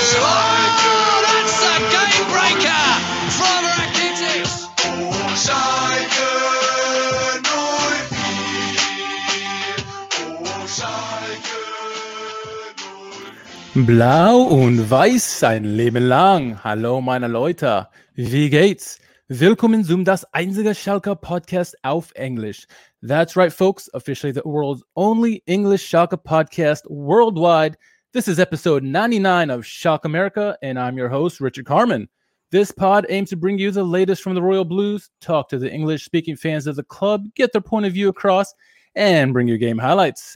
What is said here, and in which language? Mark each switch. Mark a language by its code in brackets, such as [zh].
[en] Oh, that's a game breaker from Rakitic. [de] Blau und Weiß sein Leben lang. Hallo meine Leute, wie geht's? Willkommen zum das einzige Schalke Podcast auf Englisch. [en] That's right, folks, officially the world's only English Schalke Podcast worldwide. This is episode 99 of Schalke America, and I'm your host, Richard Carman. This pod aims to bring you the latest from the Royal Blues, talk to the English-speaking fans of the club, get their point of view across, and bring your game highlights.